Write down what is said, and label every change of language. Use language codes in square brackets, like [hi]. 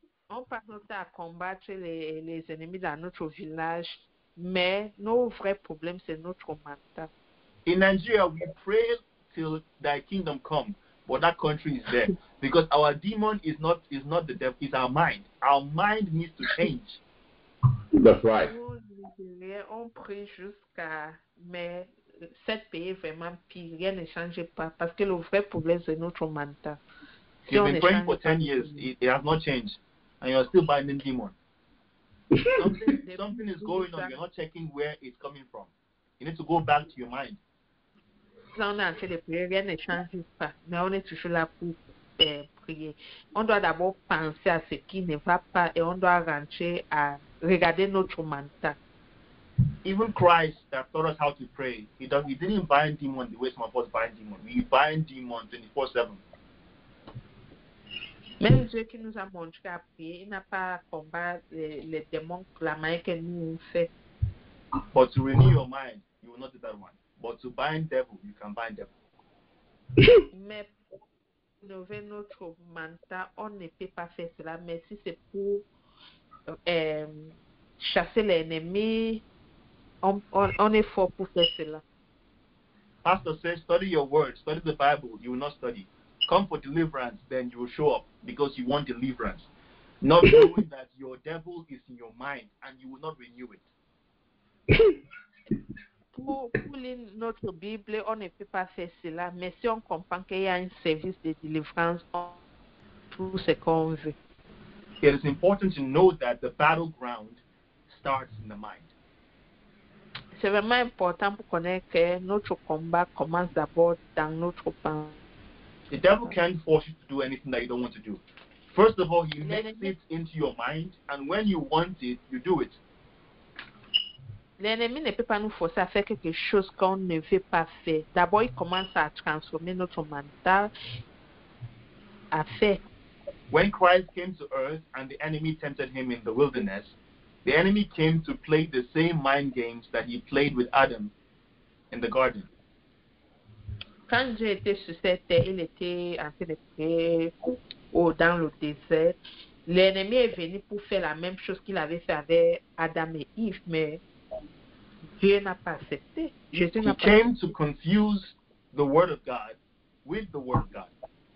[fr] On passe à combattre les ennemis dans notre village, mais nos vrais problèmes, c'est notre mental. [en] In Nigeria, we pray till thy kingdom come, but that country is there. Because our demon is not the devil, it's our mind. Our mind needs to change. That's right. [fr] On prie jusqu'à, mais cette pays est vraiment pire, rien ne change pas, parce que le vrai problème c'est notre mental. Si [en] you've been praying for 10 years, it has not changed, and you're still binding demons. Something is going on, you're not checking where it's coming from. You need to go back to your mind. [fr] Là on est en train de prier, rien ne change pas, mais on est toujours là pour prier. On doit d'abord penser à ce qui ne va pas, et on doit rentrer à regarder notre mental. [en] Even Christ that taught us how to pray, he didn't bind demon the way some of us bind demon. We bind demon 24/7. [fr] Même Dieu qui nous a montré à prier, il n'a pas combattu les démons la manière que nous on fait. [en] But to renew your mind, you will not do that one. But to bind devil, you can bind devil. [fr] Mais pour renouveler notre mental, on ne peut pas faire cela. Mais si c'est pour chasser l'ennemi, on est fort pour faire cela. [en] Pastor says, study your word, study the Bible, you will not study. Come for deliverance, then you will show up because you want deliverance. Not knowing that your devil is in your mind and you will not renew it. [fr] Pour lire notre Bible, on ne peut pas faire cela, mais si on comprend qu'il y a un service de délivrance, on peut tout ce qu'on veut. [en] It is important to know that the battleground starts in the mind. [fr] C'est vraiment important pour connaître que notre combat commence d'abord dans notre pensée. [en] The devil can't force you to do anything that you don't want to do. First of all, he makes it into your mind, and when you want it, you do it. [fr] L'ennemi ne peut pas nous forcer à faire quelque chose qu'on ne veut pas faire. D'abord, il commence à transformer notre mental à faire. [en] When Christ came to earth and the enemy tempted him in the wilderness, the enemy came to play the same mind games that he played with Adam in the garden. [fr] Quand Dieu était sur cette terre, il était en train de prier dans le désert. L'ennemi est venu pour faire la même chose qu'il avait fait avec Adam et Eve, mais Dieu n'a pas accepté. Jésus n'a pas accepté. [en] He came to confuse the word of God with the word of God.